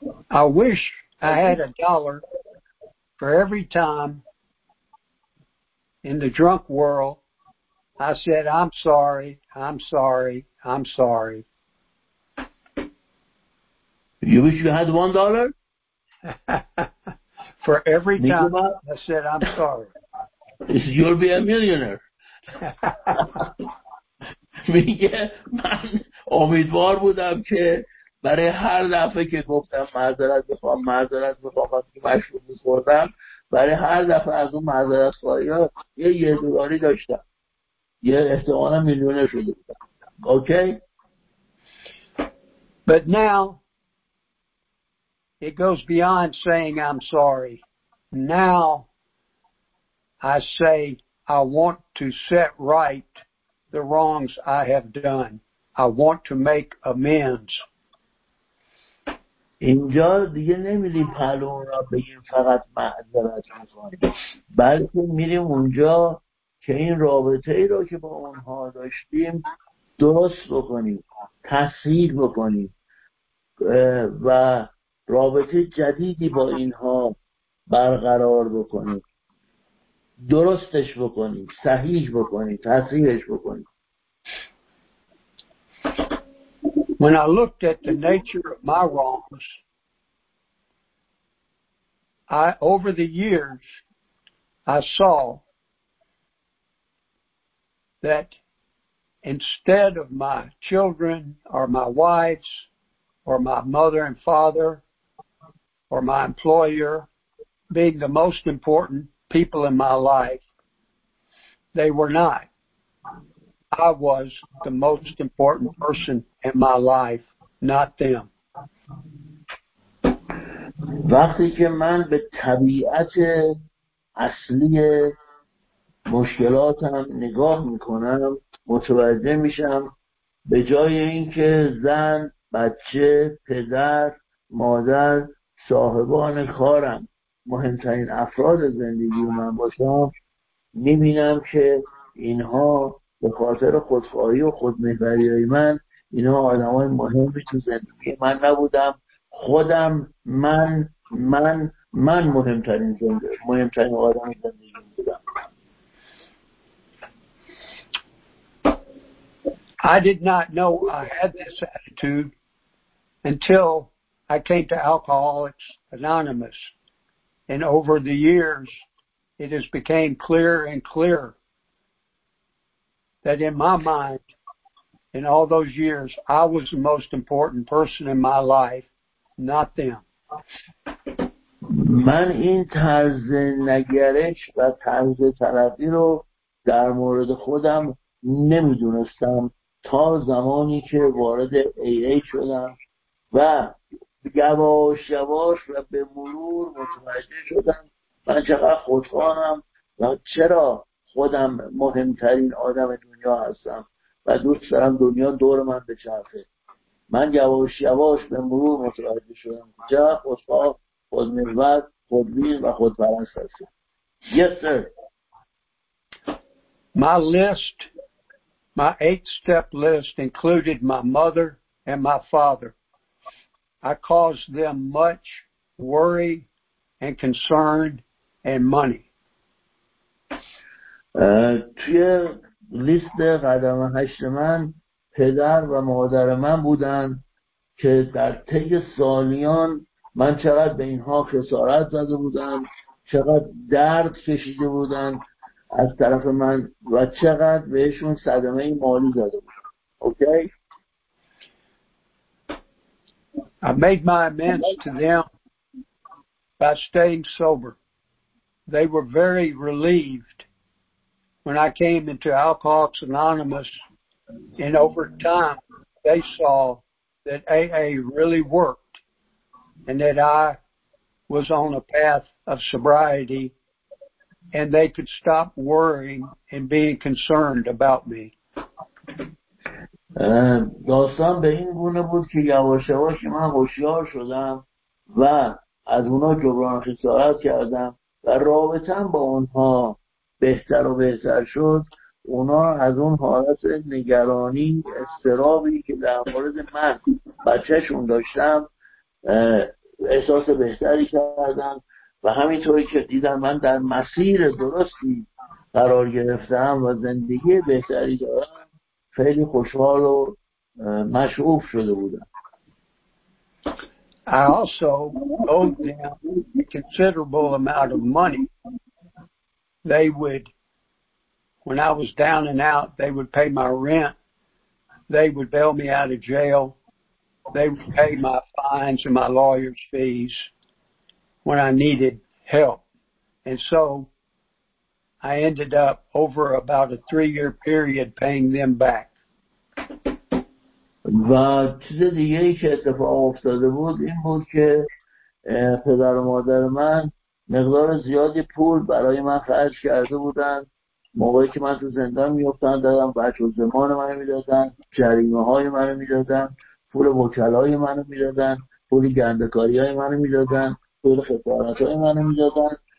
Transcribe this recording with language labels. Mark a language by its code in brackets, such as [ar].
[en] I wish I had a dollar for every time in the drunk world I said I'm sorry, I'm sorry, I'm sorry. You wish you had $1? For every time I said I'm sorry. You'll be a millionaire. [fa] میگه من امیدوار بودم که برای هر دفعه که گفتم معذرت میخوام، معذرت میخوام که مشروب میخوردم، برای هر دفعه از اون معذرت خواهی ها یه دلاری داشتم، یه احتمالا میلیونر شده بودم. اوکی؟ [en] But now it goes beyond saying I'm sorry. Now I say I want to set right the wrongs I have done. I want to make amends. [fa] اینجا دیگه نمیریم پلو را بگیم فقط معذرت میخوایم، بلکه میریم اونجا که این رابطه ای را که با اونها داشتیم درست بکنیم، تصحیح بکنیم و رابطه جدیدی با اینها برقرار بکنیم. درستش بکنیم، صحیح بکنیم، تصحیحش بکنیم. [en] When I looked at the nature of my wrongs, I, over the years, I saw that instead of my children or my wives or my mother and father or my employer being the most important people in my life, they were not. I was the most important person in my life, not them. [fa] وقتی که من به طبیعت اصلی مشکلاتم نگاه میکنم، متوجه میشم به جای اینکه زن، بچه، پدر، مادر، صاحبان کارم مهمترین افراد زندگی من باشم، میبینم که اینها به خاطر خودخواهی و خودمحوری من، اینها آدم های مهمی تو زندگی من نبودم. خودم، من مهمترین زندگی، مهمترین آدم زندگی بودم. [en] I did not know I had this attitude until I came to Alcoholics Anonymous. And over the years, it has became clearer and clearer that in my mind, in all those years, I was the most important person in my life, not them. [fa] من این طرز نگرش و طرز تلقی رو در مورد خودم نمیدونستم تا زمانی که وارد AA شدم و یواش یواش و به مرور متوجه شدم من چقدر خودخواهم و چرا خودم مهمترین آدم دنیا هستم و دوست دارم دنیا دور من بچرخه. من یواش یواش به مرور متوجه شدم چرا خودخواه، خودمحور، خودبین و خودپرست هستم. [en] Yes sir. My list, my 8-step list included my mother and my father. I caused them much worry and concern and money. [fa] توی لیست قدم هشت من پدر و مادر من بودن که در طی سالیان من چقدر به اینها خسارت زده بودم، چقدر درد کشیده بودن از طرف من و چقدر بهشون صدمه مالی زده بودم. اوکی؟ [en] I made my amends to them by staying sober. They were very relieved when I came into Alcoholics Anonymous, and over time they saw that AA really worked and that I was on a path of sobriety and they could stop worrying and being concerned about me. [fa] داستان به این گونه بود که یواش یواش من هوشیار شدم و از اونا جبران خسارت کردم و رابطم با اونها بهتر و بهتر شد. اونا از اون حالت نگرانی، استرابی که در مورد من بچهشون داشتم احساس بهتری کردم و همینطوری که دیدم من در مسیر درستی قرار گرفتم و زندگی بهتری دارم، خیلی خوشحال و مشعوف شده بودم. [en] I also owed them a considerable amount of money. They would, when I was down and out, they would pay my rent. They would bail me out of jail. They would pay my fines and my lawyer's fees when I needed help. And so I ended up over about a 3-year period paying them back. [fa] و چیز دیگه ای که اتفاق افتاده بود این بود که پدر و مادر من مقدار زیادی پول برای من خرج کرده بودن موقعی که من تو زندان میفتن دادن، بچه و زمان من رو میدادن، جریمه های من رو میدادن، پول وکلای های من رو میدادن، پول گندکاری های من رو میدادن، پول خسارت های من رو میدادن